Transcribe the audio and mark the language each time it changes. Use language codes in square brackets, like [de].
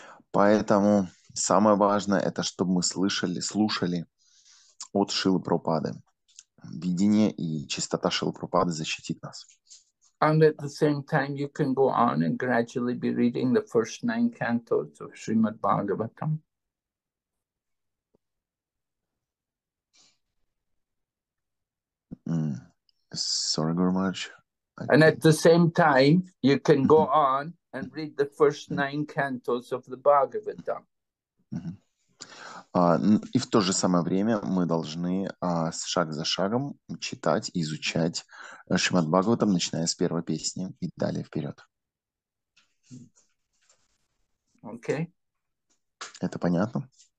[ru] Поэтому самое важное, это чтобы мы слышали, слушали от Шрилы Прабхупады. Видение и чистота Шрилы Прабхупады защитит нас. [en] And at the same time, you can go on and gradually be reading the first 9 cantos of Srimad Bhagavatam. Sorry, Guru Maharaj. And at the same time, you can go on and read the first 9 cantos of the Bhagavatam. [ru] И в то же самое время мы должны шаг за шагом читать, изучать Шримад Бхагаватам, начиная с первой песни и далее вперед. Окей. [en] Okay. [ru] Это понятно?